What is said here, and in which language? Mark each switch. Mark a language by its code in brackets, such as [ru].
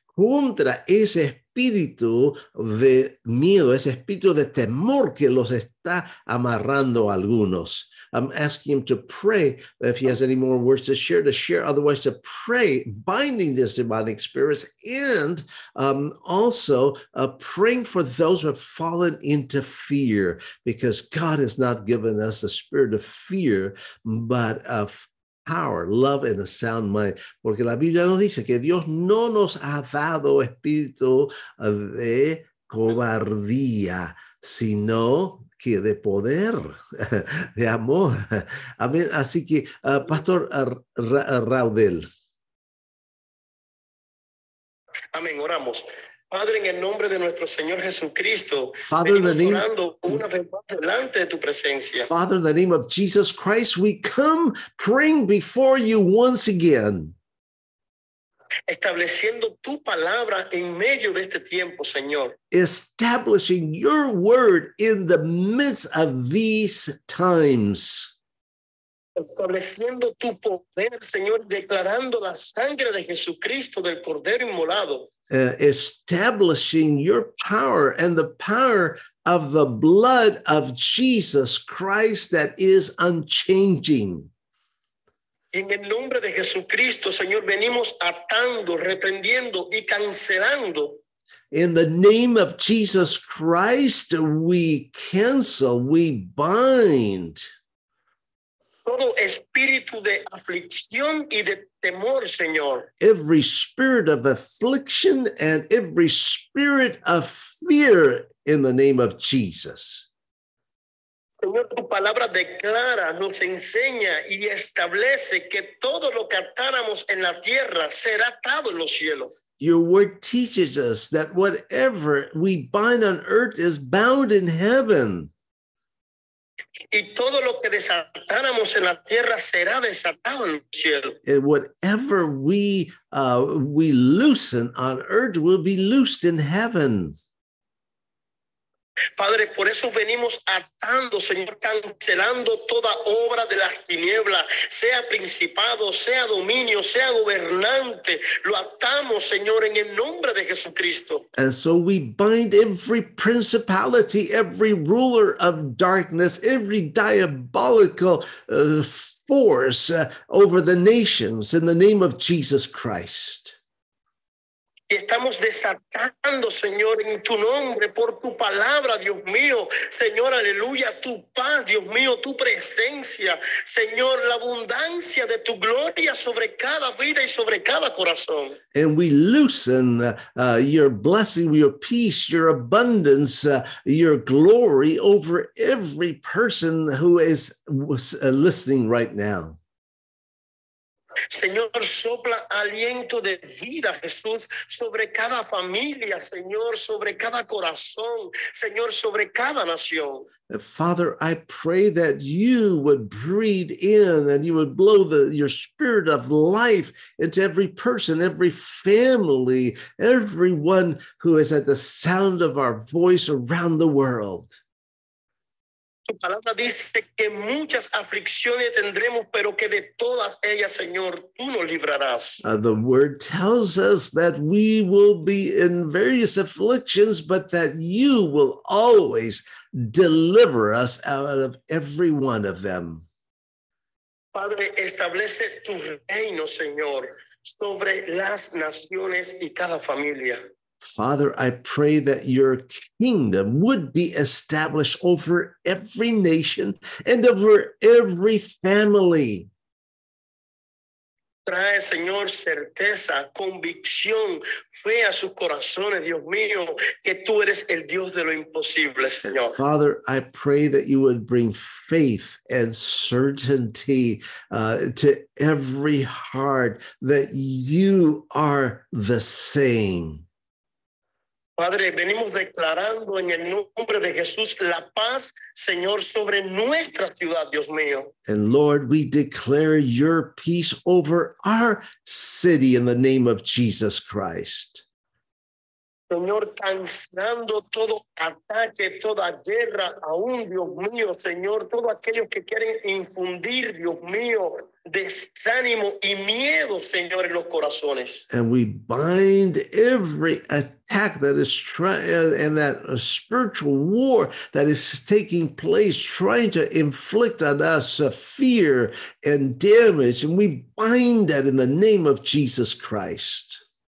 [es] contra ese espíritu de miedo, ese espíritu de temor que los está amarrando a algunos. [en] I'm asking him to pray, if he has any more words to share, otherwise to pray, binding this demonic spirits, and also praying for those who have fallen into fear, because God has not given us a spirit of fear, but of power, love, and a sound mind. [es] Porque la Biblia nos dice que Dios no nos ha dado espíritu de cobardía, sino que de poder, de amor. Amén. Así que, Pastor Raudel. Amén. Oramos. Padre, en el nombre de nuestro Señor Jesucristo, [en] Father, [es] venimos orando una vez más delante de tu presencia. [en] Father, in the name of Jesus Christ, we come praying before you once again. [es] Estableciendo tu palabra en medio de este tiempo, Señor. [en] Establishing your word in the midst of these times. [es] Estableciendo tu poder, Señor, declarando la sangre de Jesucristo del Cordero Inmolado. [en] Establishing your power and the power of the blood of Jesus Christ that is unchanging. [es] En el nombre de Jesucristo, Señor, venimos atando, reprendiendo y cancelando. [en] In the name of Jesus Christ, we cancel, we bind. [es] Todo espíritu de aflicción y de temor, Señor. [en] Every spirit of affliction and every spirit of fear in the name of Jesus. [es] Señor, tu palabra declara, nos enseña y establece que todo lo que atáramos en la tierra será atado en los cielos. [en] Your word teaches us that whatever we bind on earth is bound in heaven. [es] Y todo lo que desatáramos en la tierra será desatado en los cielos. [en] And whatever we loosen on earth will be loosed in heaven. [es] Padre, por eso venimos atando, Señor, cancelando toda obra de las tinieblas, sea principado, sea dominio, sea gobernante, lo atamos, Señor, en el nombre de Jesucristo. [en] And so we bind every principality, every ruler of darkness, every diabolical force over the nations in the name of Jesus Christ. [es] Y estamos desatando, Señor, en tu nombre, por tu palabra, Dios mío. Señor, aleluya, tu paz, Dios mío, tu presencia. Señor, la abundancia de tu gloria sobre cada vida y sobre cada corazón. [en] And we loosen your blessing, your peace, your abundance, your glory over every person who is listening right now. [es] Señor, sopla aliento de vida, Jesús, sobre cada familia, Señor, sobre cada corazón, Señor, sobre cada nación. [en] Father, I pray that you would breathe in and you would blow your spirit of life into every person, every family, everyone who is at the sound of our voice around the world. [es] Tu palabra dice que muchas aflicciones tendremos, pero que de todas ellas, Señor, tú nos librarás. [en] The word tells us that we will be in various afflictions, but that you will always deliver us out of every one of them. [es] Padre, establece tu reino, Señor, sobre las naciones y cada familia. [en] Father, I pray that your kingdom would be established over every nation and over every family. [es] Trae, Señor, certeza, convicción, fe a sus corazones, Dios mío, que tú eres el Dios de lo imposible, Señor. [en] And Father, I pray that you would bring faith and certainty to every heart that you are the same. [es] Padre, venimos declarando en el nombre de Jesús la paz, Señor, sobre nuestra ciudad, Dios mío. [en] And Lord, we declare your peace over our city in the name of Jesus Christ. [es] Señor, cancelando todo ataque, toda guerra, aún, Dios mío, Señor, todo aquello que quieren infundir, Dios mío, desánimo y miedo, Señor, en los corazones. [en] And we bind every attack that is trying, and that spiritual war that is taking place, trying to inflict on us fear and damage, and we bind that in the name of Jesus Christ.